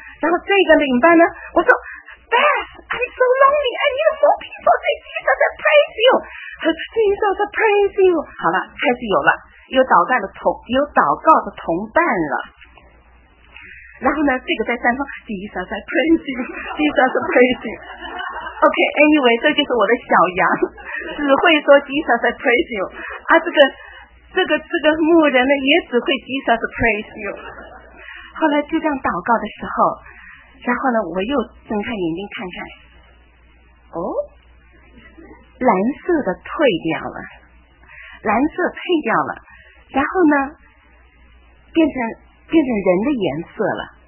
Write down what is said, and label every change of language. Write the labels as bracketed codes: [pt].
[zh] 然后这个领班呢，我说 Beth [en] I'm so lonely and you know more people say Jesus praise you， [zh] 他说 [en] Jesus praise you。 [zh] 好了，开始有了有祷告的同伴了。然后呢，这个在山峰 [en] Jesus I praise you， Jesus I praise you， OK anyway， [zh] 这就是我的小羊只会说 [en] Jesus I praise you， [zh] 啊，这个牧人呢也只会 Jesus I praise you。后来就这样祷告的时候，然后呢我又睁开眼睛看看，哦，蓝色的退掉了，蓝色退掉了，然后呢变成人的颜色了。